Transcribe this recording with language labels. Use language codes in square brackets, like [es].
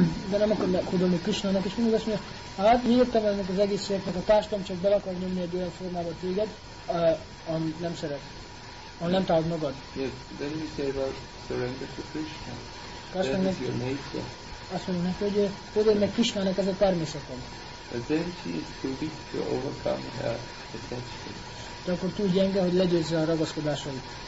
[hu] De nem akar meghódolni Krishnának, és mindig azt mondja, hát mi értem ennek az egész életnek, a társadalom csak bele akar nyomni egy olyan formába téged, ahol nem szeret, ahol nem találod magad. [en] Yes, then you say, well, surrender to Krishna. That is your nature. [hu] Azt mondja neki, hogy hódolj meg Krishnának, ez a természetem. [en] But then she is too weak to overcome her attachment. [hu] De akkor túl gyenge, hogy legyőzze a ragaszkodáson.